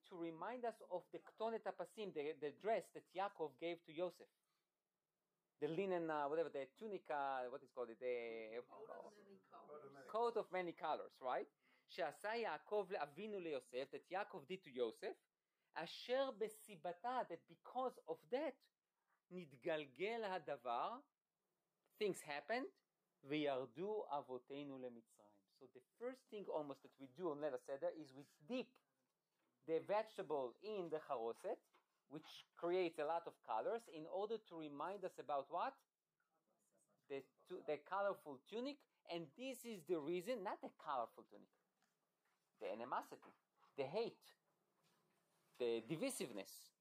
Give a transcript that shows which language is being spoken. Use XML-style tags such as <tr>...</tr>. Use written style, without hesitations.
<en>To remind us of the ktonet hapasim, the dress that Yaakov gave to Yosef. The linen, whatever, the tunica, what is called it? The coat of many colors, right?</en> <he>שעשה יעקב לאבינו ליוסף,</he> <en>that Yaakov did to Yosef.</en> <he>אשר בסיבתה,</he> <en>that because of that,</en> <he>נתגלגל הדבר,</he> <en>things happened,</en> <he>וירדו אבותינו למצרים.</he> <en>So the first thing almost that we do on Leila Seder is we dip the vegetable in the charoset, which creates a lot of colors, in order to remind us about what? The colorful tunic, and this is the reason, not the colorful tunic, the animosity, the hate, the divisiveness.</en>